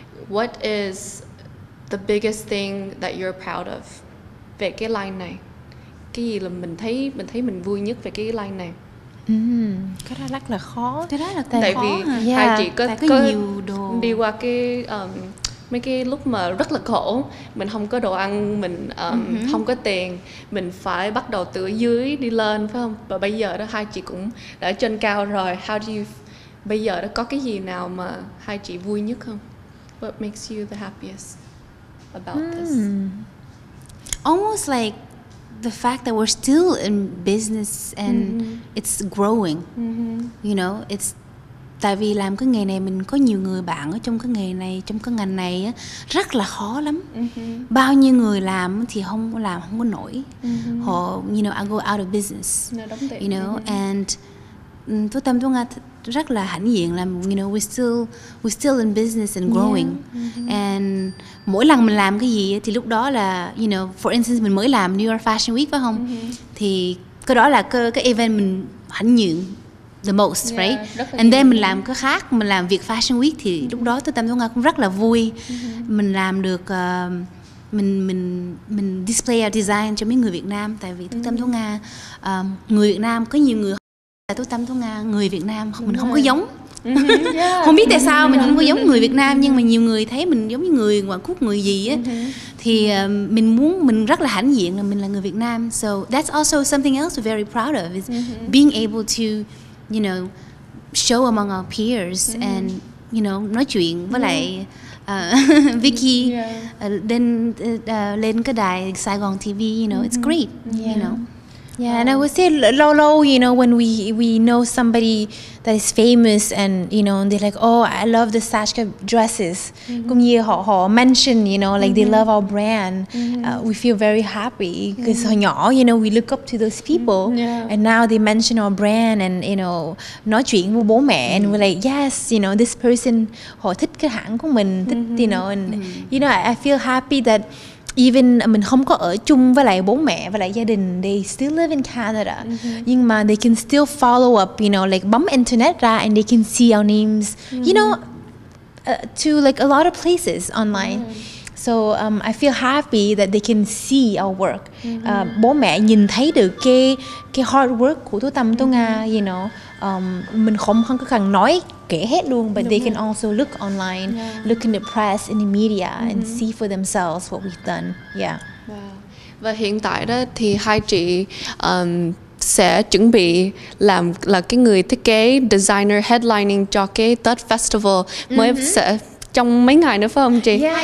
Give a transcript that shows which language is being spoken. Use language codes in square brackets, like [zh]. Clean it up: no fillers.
[en] What is the biggest thing that you're proud of [vi] về cái line này? Cái gì là mình thấy mình vui nhất về cái line này? Cái đó rất là khó. Cái đó là tại khó. Vì yeah, hai chị có nhiều đồ. Đi qua cái mấy cái lúc mà rất là khổ, mình không có đồ ăn, mình không có tiền, mình phải bắt đầu từ dưới đi lên, phải không? Và bây giờ đó hai chị cũng đã trên cao rồi. [en] How do you, [vi] bây giờ đó có cái gì nào mà hai chị vui nhất không? [en] What makes you the happiest about this? Almost like the fact that we're still in business and it's growing. [vi] You know, it's tại vì làm cái nghề này mình có nhiều người bạn ở trong cái nghề này, trong cái ngành này rất là khó lắm. Bao nhiêu người làm thì không làm không có nổi. [en] Họ, you know, I go out of business. You know, and To-Tam To-Nya [vi] rất là hãnh diện là, [en] you know, we're still in business and growing. [vi] And mỗi lần mình làm cái gì thì lúc đó là, you know, [en] for instance [vi] mình mới làm New York Fashion Week phải không? Thì cái đó là cái event mình hãnh diện [en] the most, yeah, right? [vi] And then mình làm cái khác, mình làm việc Fashion Week thì lúc đó To-Tam To-Nya cũng rất là vui. Mình làm được mình [en] display our design [vi] cho mấy người Việt Nam, tại vì To-Tam To-Nya người Việt Nam có nhiều người là To-Tam To-Nya người Việt Nam mình không có giống. Không biết tại sao mình không có giống người Việt Nam nhưng mà nhiều người thấy mình giống như người ngoại quốc, người gì á. Thì mình rất là hãnh diện là mình là người Việt Nam. [en] So that's also something else we're very proud of is being able to, you know, show among our peers and, you know, [vi] nói chuyện với lại Vicky lên lên cái đài Saigon TV, [en] you know, it's great, you know. Yeah, and I would say low, you know, when we know somebody that is famous and, you know, they're like, oh, I love the Sachika dresses. [vi] Cũng như họ mention, [en] you know, like they love our brand. We feel very happy because, you know, we look up to those people. And now they mention our brand and, you know, [vi] nói chuyện với bố mẹ. [en] And we're like, yes, you know, this person, [vi] họ thích cái hãng của mình, thích, [en] you know. And, you know, I feel happy that even [vi] mình không có ở chung với lại bố mẹ và lại gia đình, [en] they still live in Canada. Nhưng mà they can still follow up, you know, like [vi] bấm internet ra [en] and they can see our names, you know, to like a lot of places online. So I feel happy that they can see our work. [vi] Bố mẹ nhìn thấy được cái hard work của To-Tam To-Nya, you know. Mình không có cần nói kể hết luôn, [en] but they can also look online, look in the press, in the media, and see for themselves what we've done. Yeah. [vi] Và hiện tại đó thì hai chị sẽ chuẩn bị làm là cái người thiết kế designer headlining cho cái Tết Festival mới sẽ trong mấy ngày nữa phải không chị?